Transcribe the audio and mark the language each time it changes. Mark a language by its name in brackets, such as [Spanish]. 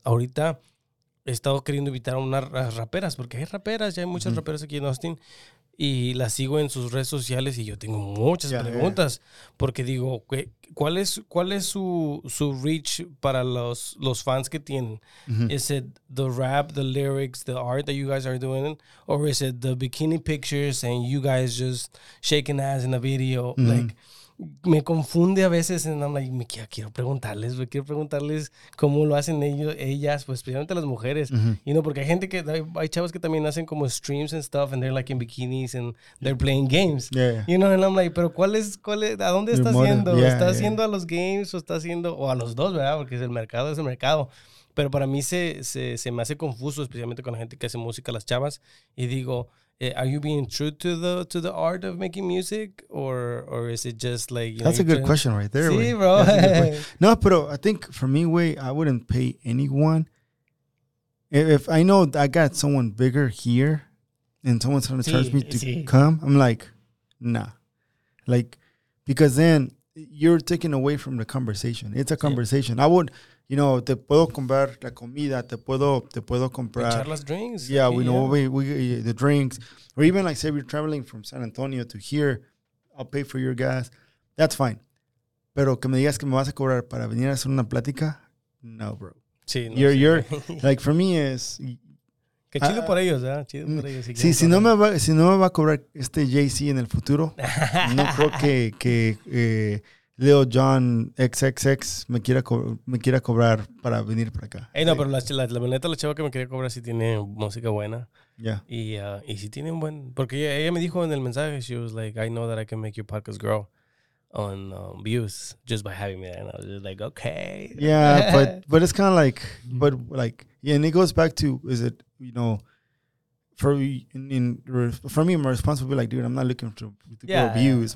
[Spanish] Ahorita he estado queriendo invitar a unas raperas, porque hay raperas, ya hay muchas raperas aquí en Austin. Y las sigo en sus redes sociales y yo tengo muchas preguntas. Porque digo, ¿cuál es su reach para los fans que tienen? Mm-hmm. [English] Is it the rap, the lyrics, the art that you guys are doing? Or is it the bikini pictures and you guys just shaking ass in a video? [Spanish] Mm-hmm. Like, me confunde a veces and I'm like, quiero preguntarles cómo lo hacen ellas, pues especialmente las mujeres. Mm-hmm. [English] You know, porque hay gente que, hay chavos que también hacen como streams and stuff and they're like in bikinis and they're playing games. Yeah. [Spanish] You know, and I'm like, pero ¿cuál es, a dónde está haciendo? Yeah, ¿está haciendo a los games o está haciendo, o a los dos, verdad? Porque es el mercado. Pero para mí se me hace confuso, especialmente con la gente que hace música, las chavas, y digo... [English] Are you being true to the art of making music, or is it just like, you that's know, a good question right there? See, bro. No, pero I think for me, way I wouldn't pay anyone if I know I got someone bigger here, and someone's trying to charge me to come. I'm like, nah, like because then you're taking away from the conversation. [Spanish] It's a conversation. I would. You know, te puedo comprar la comida, te puedo comprar. Echar las drinks. [English] Yeah, we know, we the drinks. Or even like, say you're traveling from San Antonio to here, I'll pay for your gas. That's fine. [Spanish] Pero que me digas que me vas a cobrar para venir a hacer una plática, no, bro. Sí, [English] no. You're like, for me is... [Spanish] Qué chido por ellos, ¿eh? Chido por ellos. Sí, si no me va a cobrar este Jay-Z en el futuro, no creo que Leo John XXX me quiera cobrar para venir para acá. Hey, no, pero la chava que me quería cobrar sí tiene música buena. [English] Yeah. [Spanish] Y sí tiene un buen... [English] Porque ella me dijo en el mensaje, she was like, I know that I can make your podcast grow on views just by having me. And I was just like, okay. Yeah, but it's kind of like... But like, yeah, and it goes back to, is it, you know... For me, my response would be like, dude, I'm not looking to grow views.